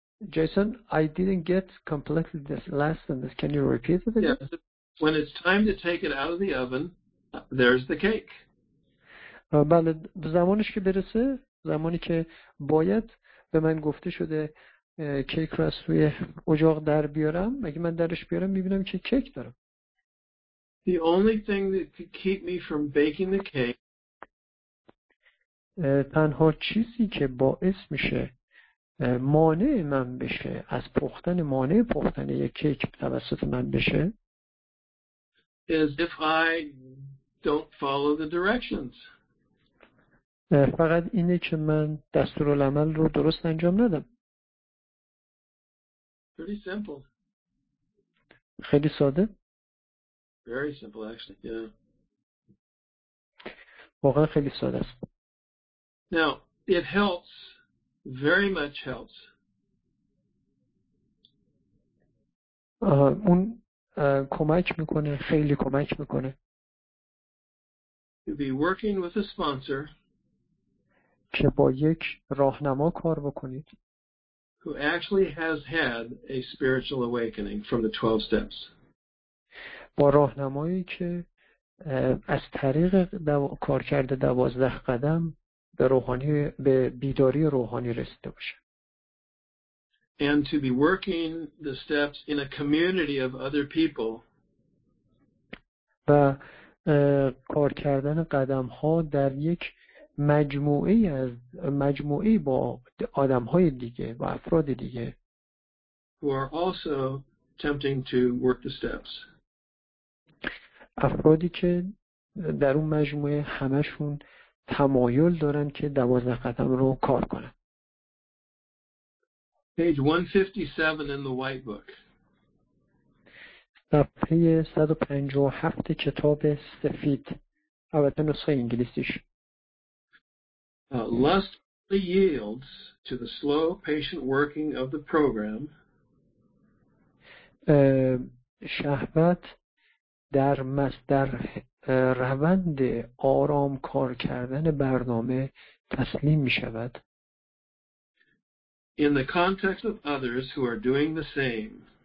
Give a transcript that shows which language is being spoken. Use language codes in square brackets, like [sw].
[en] Jason, I didn't get completely this last sentence. Can you repeat it again? Yes. When it's time to take it out of the oven, there's the cake. [fa] بله، زمانش که برسه، زمانی که باید به من گفته شده کیک را از توی اجاق در بیارم، اگه من درش بیارم میبینم که کیک دارم. [en] The only thing that could keep me from baking the cake. [fa] تنها چیزی که باعث میشه مانع من بشه از پختن، مانع پختن یک کیک توسط من بشه، [en] is if I don't follow the directions. [fa] فقط اینه که من دستورالعمل رو درست انجام ندم. [en] Pretty simple. [fa] خیلی ساده. [en] Very simple actually, yeah. [fa] واقعا خیلی ساده است. [en] Now, it helps, very much helps. [fa] اون کمک میکنه، خیلی کمک میکنه. [en] You'll be working with a sponsor. [fa] که با یک راهنما کار بکنید. [en] Who actually has had a spiritual awakening from the 12 steps. [fa] با راهنمایی که از طریق کار کرده 12 قدم به روحانی، به بیداری روحانی رسیده باشه. [en] And to be working the steps in a community of other people. [fa] و کار کردن قدم ها در یک مجموعه با آدم های دیگه، با افراد دیگه. [en] Who are also attempting to work the steps. [fa] افرادی که در اون مجموعه همشون تمایل دارن که 12 قدم رو کار کنن. [en] Page 157 in the white book. [fa] صفحه 157 کتاب سفید. البته نسخه انگلیسیش. [en] Lust yields to the slow patient working of the program. [fa] شهوت در مصدر روند آرام کار کردن برنامه تسلیم می شود. [en] In the context of others who are doing the same.